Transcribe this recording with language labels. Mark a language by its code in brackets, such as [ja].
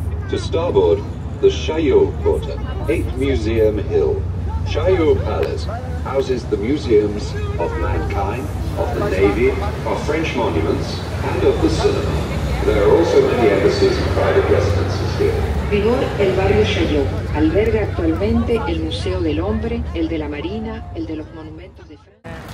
[en] To starboard, the Chaillot Quarter, 8 Museum Hill. Chaillot Palace houses the museums of mankind, of the navy, of French monuments, and of the cinema. There are also many embassies and private residences here. [es] Vigor, el barrio Chaillot alberga actualmente el Museo del Hombre, el de la Marina, el de los monumentos de Francia.